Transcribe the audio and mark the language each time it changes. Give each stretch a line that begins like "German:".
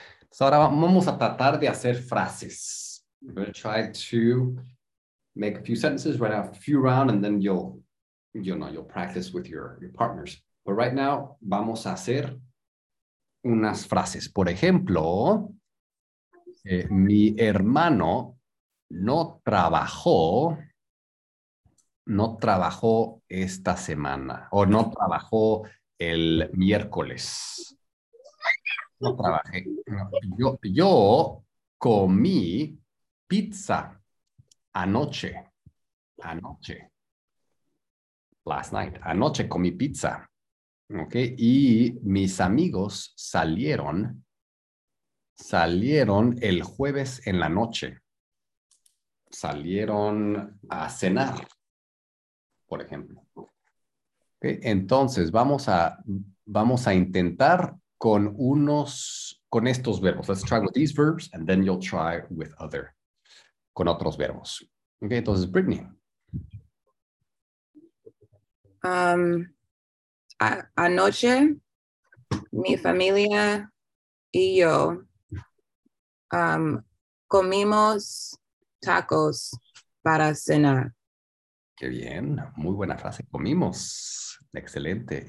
Spanish: So ahora vamos a tratar de hacer frases.
English: I'm going to try to make a few sentences, write out a few rounds, and then you'll practice with your partners. But right now,
Spanish: vamos a hacer unas frases. Por ejemplo, mi hermano no trabajó esta semana, o no trabajó el miércoles. No trabajé. Yo comí pizza anoche.
English: Last night.
Spanish: Anoche comí pizza. Ok. Y mis amigos salieron el jueves en la noche. Salieron a cenar, por ejemplo. Ok. Entonces, vamos a intentar con estos verbos.
English: Let's try with these verbs and then you'll try with other,
Spanish: con otros verbos. Ok, entonces, Brittany. Anoche, mi familia y yo comimos tacos para cenar. Qué bien, muy buena frase, comimos. Excelente.